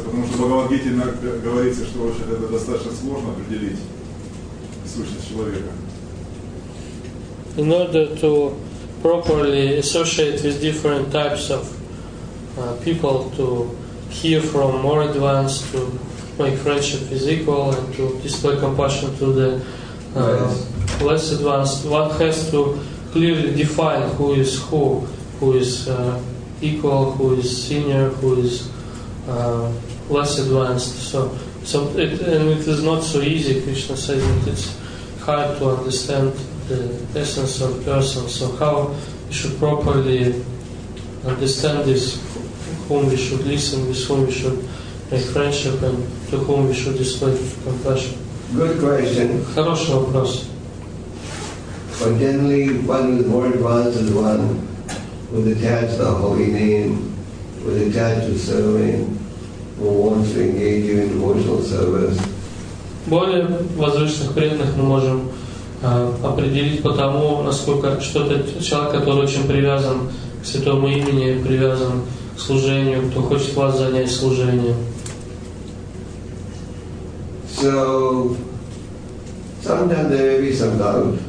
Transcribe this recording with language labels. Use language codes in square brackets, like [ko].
[ru] Потому что в Бхагавад-гите говорится, что очень это достаточно сложно определить сущность человека. [en] In order to properly associate with different types of people, to hear from more advanced, to make friendship with equal and to display compassion to the nice. Less advanced. One has to clearly define who is equal, who is senior, who is less advanced. So it is not so easy. Krishna says that it's hard to understand the essence of a person. So how we should properly understand this, whom we should listen, with whom we should make friendship and to whom we should display compassion. Good question. [ru] Хороший вопрос. [en] But generally, one who is more advanced is one who is attached to the holy name, who is attached to serving, who wants to engage you in devotional service. [ru] Более возвышенных преданных мы можем определить по тому, насколько что-то человек, который очень привязан к святому имени, привязан к служению, кто хочет вас занять служением. [en] So sometimes there may be some doubt.